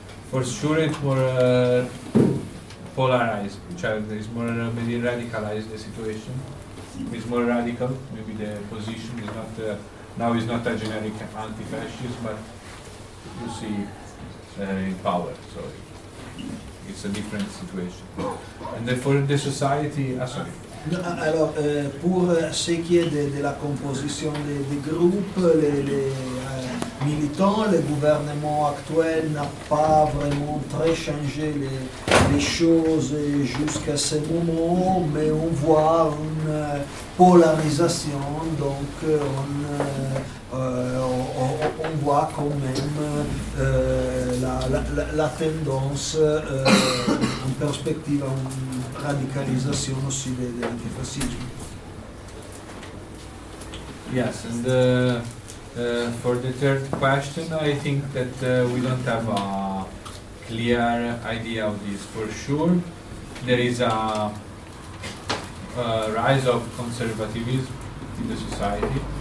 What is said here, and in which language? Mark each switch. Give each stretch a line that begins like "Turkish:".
English: For sure it's more polarized, which is more maybe radicalized the situation. It's more radical, maybe the position is not, now is not a generic anti-fascist, but you see in power, so it's a different situation. And then for the society, sorry.
French: Alors, pour ce qui est de la composition des groupes, les militants, le gouvernement actuel n'a pas vraiment très changé les choses jusqu'à ce moment, mais on voit une polarisation, donc on voit quand même la tendance en perspective à une radicalisation aussi de l'antifascisme.
English: Yes, and for the third question, I think that we don't have a clear idea of this. For sure, there is a rise of conservatism in the society.